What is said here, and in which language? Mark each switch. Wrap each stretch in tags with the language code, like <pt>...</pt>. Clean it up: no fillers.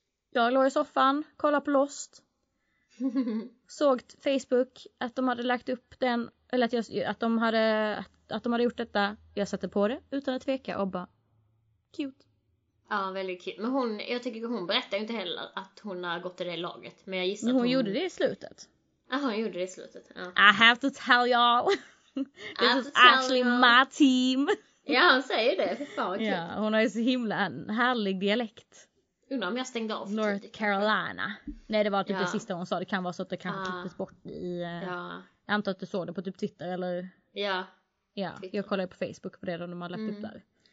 <sv>Jag låg i soffan, kollade på Lost. Såg Facebook att de hade lagt upp den, eller att de hade gjort detta. Jag satte på det utan att tveka och bara, cute. Ja, väldigt cute. Men hon, jag tycker hon berättade inte heller att hon har gått i det laget. Men jag gissar hon att hon gjorde det i slutet. Ja, hon gjorde det i slutet. Ja.</sv> <en>I have to tell y'all. This is actually my team.</en> <sv>Ja, hon säger det. För fan, okay. Ja, hon har ju så himla en härlig dialekt. Undrar om jag stängde av. North Carolina. Nej, det var typ det sista hon sa. Det kan vara så att det kanske klipptes bort i... Jag antar att du såg det på typ Twitter eller... Ja. Ja, Twitter. Jag kollade på Facebook på det då de har lagt upp där.</sv>